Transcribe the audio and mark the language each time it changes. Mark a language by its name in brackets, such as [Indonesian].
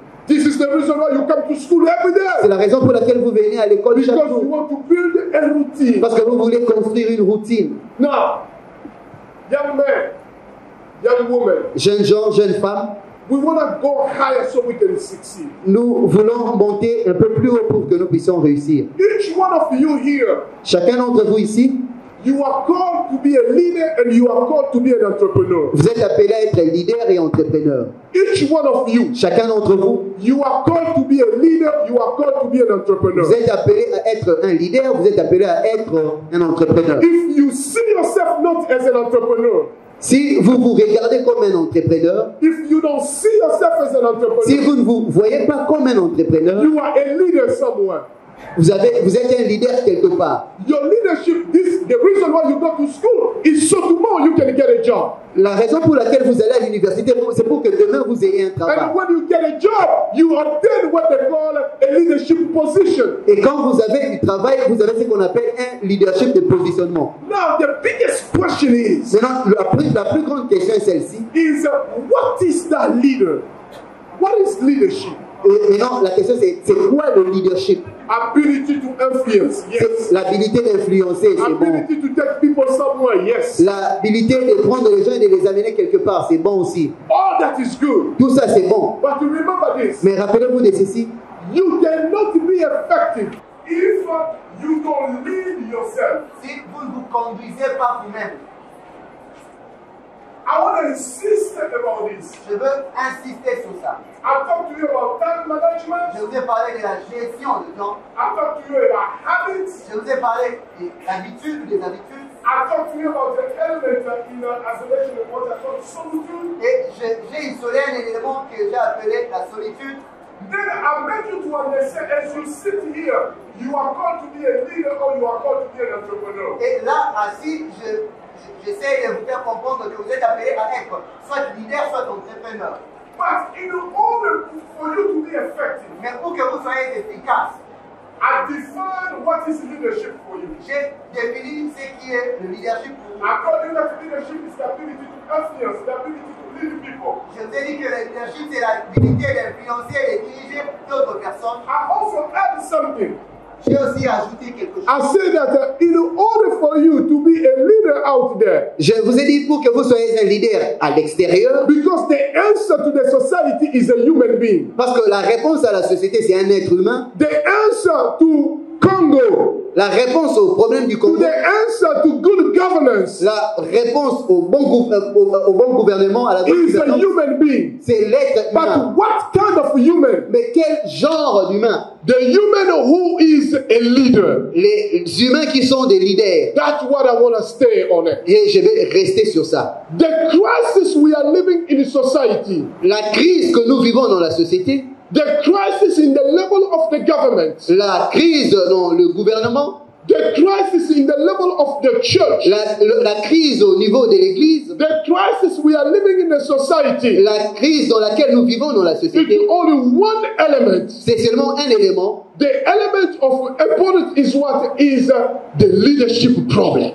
[English] This is the reason why you come to school every day. [French] C'est la raison pour laquelle vous venez à l'école [English] because [French] chaque jour. [English] Because you want to build a routine. [French] Parce que vous voulez construire une routine. [English] Now, young man, young woman. [French] Jeune gens, jeune femme. [English] We want to go higher so we can succeed. [French] Nous voulons monter un peu plus haut pour que nous puissions réussir. [English] Each one of you here. [French] Chacun d'entre vous ici. [English] You are called to be a leader and you are called to be an entrepreneur. [French] Vous êtes appelé à être leader et entrepreneur. [English] Each one of you. [French] Chacun d'entre vous. [English] You are called to be a leader, you are called to be an entrepreneur. [French] Vous êtes appelé à être un leader, vous êtes appelé à être un entrepreneur. [English] If you see yourself not as an entrepreneur. [French] Si vous vous regardez comme un entrepreneur. [English] If you don't see yourself as an entrepreneur. [French] Si vous ne vous voyez pas comme un entrepreneur. [English] You are a leader somewhere. [French] Vous êtes un leader quelque part. [English] Your leadership, this, the reason why you go to school is so tomorrow you can get a job. [French] La raison pour laquelle vous allez à l'université, c'est pour que demain vous ayez un travail. [English] And when you get a job, you obtain what they call a leadership position. [French] Et quand vous avez du travail, vous avez ce qu'on appelle un leadership de positionnement. [English] Now the biggest question is. [French] Maintenant, la plus grande question est celle-ci. [English] Is what is that leader? What is leadership? [French] Maintenant, la question c'est quoi le leadership? [English] Ability to influence, yes. [French] L'habilité d'influencer, c'est [English] ability [French] bon. [English] To take people somewhere, yes. [French] L'habilité de prendre les gens et de les amener quelque part, c'est bon aussi. [English] All that is good. [French] Tout ça, c'est bon. [English] But to remember this. [French] Mais rappelez-vous de ceci. [English] You cannot be effective if you don't lead yourself. [French] Si vous ne vous conduisez pas vous-même. [English] I want to insist about this. [French] Je veux insister sur ça. [English] I talk to you about time management. [French] Je vous ai parlé de la gestion de temps. [English] I talk to you about habits. [French] Je vous ai parlé des habitudes. Des habitudes. [English] I talk to you about the element in isolation of what I call solitude. [French] Et j'ai isolé un élément que j'ai appelé la solitude. [English] Then I make you to understand as you sit here, you are called to be a leader or you are called to be an entrepreneur. [French] Et là, assis, j'essaie de vous faire comprendre que vous êtes appelé à être soit leader, soit entrepreneur. [English] But in order for you to be effective, [French] mais pour que vous soyez efficace, [English] I define what is leadership for you. [French] J'ai défini ce qui est le leadership pour vous. [English] I told you that leadership is the ability to influence, the ability to lead people. [French] Je vous ai dit que le leadership c'est l'habilité d'influencer et diriger d'autres personnes. [English] I also add something. [French] J'ai aussi ajouté quelque chose. [English] I said that in order for you to be a leader out there. [French] Je vous ai dit pour que vous soyez un leader à l'extérieur. [English] Because the answer to the society is a human being. [French] Parce que la réponse à la société c'est un être humain. [English] The answer to Congo. [French] La réponse au problème du Congo. [English] To the answer to good governance. [French] La réponse au bon gouvernement à la bonne [English] gouvernance. Is a human being. [French] C'est l'être humain. [English] But what kind of human? [French] Mais quel genre d'humain? [English] The human who is a leader. [French] Les humains qui sont des leaders. [English] That's what I want to stay on it. [French] Et je vais rester sur ça. [English] The crisis we are living in society. [French] La crise que nous vivons dans la société. [English] The crisis in the level of the government. [French] La crise dans le gouvernement. [English] The crisis in the level of the church. [French] La crise au niveau de l'église. [English] The crisis we are living in the society. [French] La crise dans laquelle nous vivons dans la société. [English] It's only one element. [French] C'est seulement un élément. [English] The element of important is what is the leadership problem.